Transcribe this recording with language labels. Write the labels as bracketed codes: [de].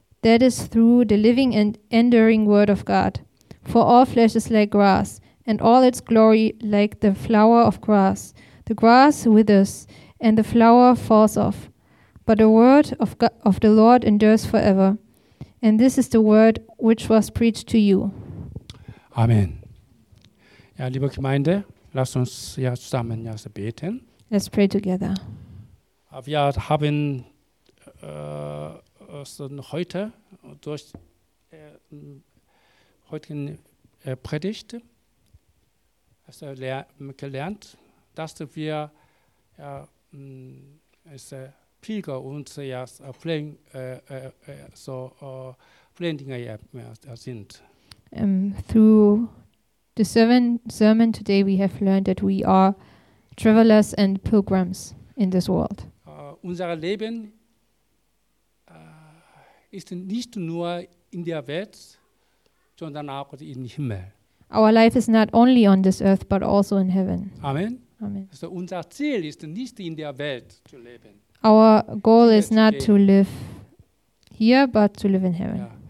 [en] That is through the living and enduring word of God. For all flesh is like grass, and all its glory like the flower of grass. The grass withers, and the flower falls off. But the word of of the Lord endures forever. And this is the word which was preached to you. Amen. [de] Ja, liebe Gemeinde, lass uns ja zusammen ja beten. [en] Let's pray together. [de] Wir haben heute durch heutigen Predigt gelernt, dass wir als Pilger und Flüchtlinge sind. [en] Through the sermon today, we have learned that we are travelers and pilgrims in this world. [de] Unser Leben ist nicht nur in der Welt, sondern auch im Himmel. [en] Our life is not only on this earth, but also in heaven. Amen. Amen. [de] Also unser Ziel ist nicht in der Welt zu leben. [en] Our goal is not to live here, but to live in heaven. Ja.